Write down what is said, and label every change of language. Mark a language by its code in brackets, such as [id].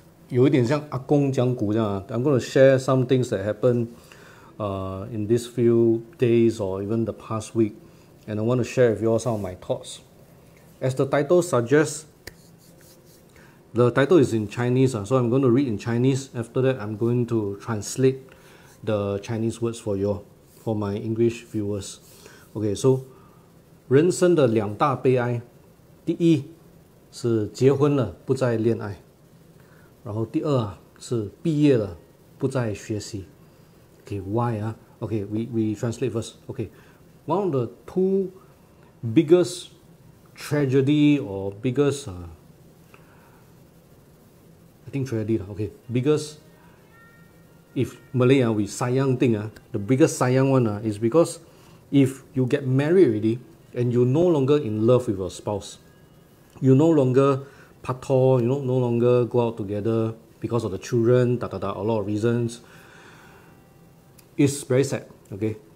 [zh] 有一点像阿公讲古这样啊。 [en] I'm going to share some things that happened in these few days or even the past week. And I want to share with you all some of my thoughts. As the title suggests, the title is in Chinese. So I'm going to read in Chinese. After that, I'm going to translate the Chinese words for you all. For my English viewers. Okay, so [zh] 人生的两大悲哀，第一是结婚了不再恋爱，然后第二是毕业了不再学习。 [en] Okay, why? Okay, we translate first. Okay, one of the two biggest tragedy or biggest I think tragedy. Okay, biggestIf Malay, we sayang thing, the biggest sayang one is because if you get married already and you're no longer in love with your spouse, you no longer patol, you know, no longer go out together because of the children, a lot of reasons, it's very sad, okay?